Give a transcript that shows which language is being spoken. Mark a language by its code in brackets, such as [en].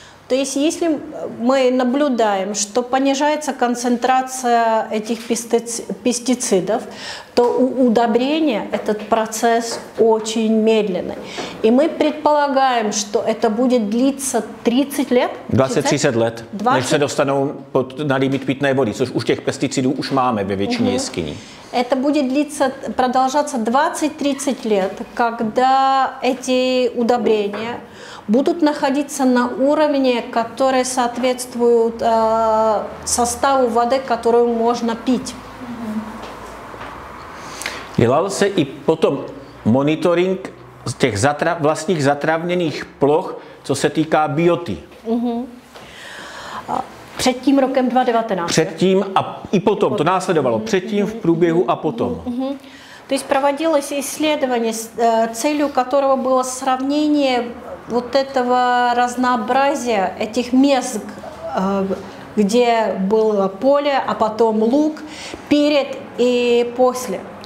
[ru] То есть, если мы наблюдаем, что понижается концентрация этих пестицидов, то у удобрения этот процесс очень медленный. И мы предполагаем, что это будет длиться 30 лет? [cs] 20-30 лет, než se dostanou [ru] на лимит питной воды, [cs] což už těch pesticidů už máme ve většině jeskyní. [ru] Это будет длиться, продолжаться 20-30 лет, когда эти удобрения будут находиться на уровне, который соответствует составу воды, которую можно пить. [cs] Dělal se i potom monitoring těch vlastních zatravněných ploch, co se týká bioty. Před tím rokem 2019. Před tím a i potom, to následovalo. Před tím, v průběhu a potom. [ru] То есть проводилось исследование, целью которого было сравнение вот этого разнообразия этих мест, где было поле, а потом луг, перед и после.